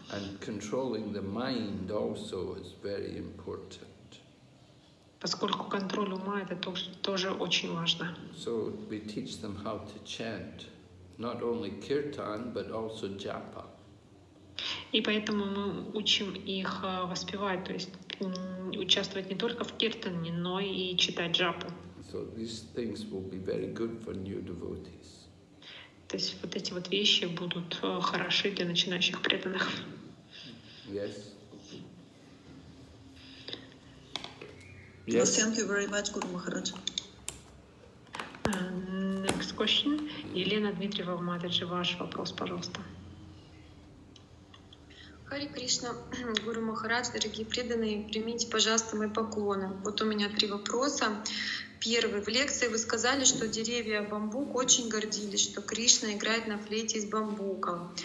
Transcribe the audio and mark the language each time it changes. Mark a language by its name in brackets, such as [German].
[English] And controlling the mind also is very important. [Russian] Поскольку контроль ума — это тоже очень важно. [English] So we teach them how to chant, not only kirtan, but also japa. [Russian] И поэтому мы учим их воспевать, то есть участвовать не только в киртане, но и читать джапу. [English] So these things will be very good for new devotees. [Russian] То есть вот эти вот вещи будут хороши для начинающих преданных. [English] Yes. Yes. Well, thank you very much, Guru Maharaj. Next question. [Russian] Елена Дмитриева, Матаджи, ваш вопрос, пожалуйста. Хари Кришна, Гуру Махарадж, дорогие преданные, примите, пожалуйста, мои поклоны. Вот у меня три вопроса. Первый. В лекции вы сказали, что деревья бамбук очень гордились, что Кришна играет на флейте из бамбука.